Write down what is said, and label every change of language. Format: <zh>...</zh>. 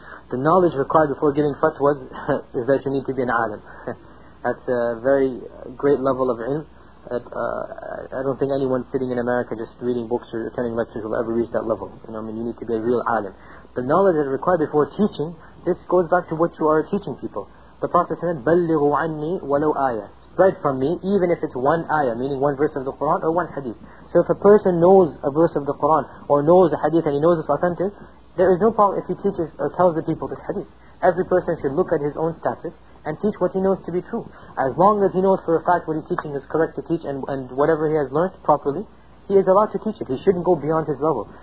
<en>The knowledge required before giving fatwas is that you need to be an alim. That's a very great level of ilm. I don't think anyone sitting in America just reading books or attending lectures will ever reach that level. You need to be a real alim. The knowledge that is required before teaching, this goes back to what you are teaching people. The Prophet said,</en> <ar>بَلِّغُ عَنِّي وَلَوْ آيَةً.</ar> <en>Spread from me, even if it's one ayah, meaning one verse of the Quran or one hadith. So if a person knows a verse of the Quran or knows a hadith and he knows it's authentic, there is no problem if he teaches or tells the people this hadith. Every person should look at his own status and teach what he knows to be true. As long as he knows for a fact what he's teaching is correct to teach and whatever he has learned properly, he is allowed to teach it. He shouldn't go beyond his level.</en>